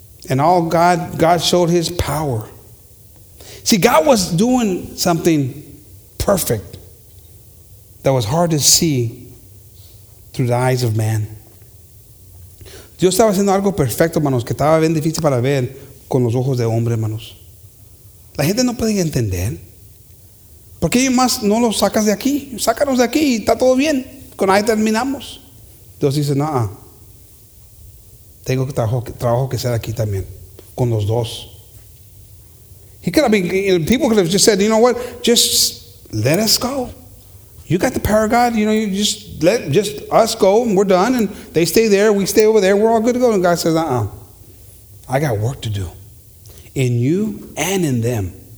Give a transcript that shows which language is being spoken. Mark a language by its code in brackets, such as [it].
[en] And all God showed his power. See, God was doing something perfect that was hard to see through the eyes of man. [es] Dios estaba haciendo algo perfecto, hermanos, que estaba bien difícil para ver con los ojos de hombre, hermanos. La gente no podía entender. ¿Por qué más no lo sacas de aquí? Sácanos de aquí y está todo bien. Con ahí terminamos. Dios dice, no, tengo trabajo que hacer aquí también, con los dos. [en] He could have been, people could have just said, you know what, just let us go. You got the power of God, you know, you just let just us go and we're done. And they stay there, we stay over there, we're all good to go. And God says, uh-uh, I got work to do in you and in them.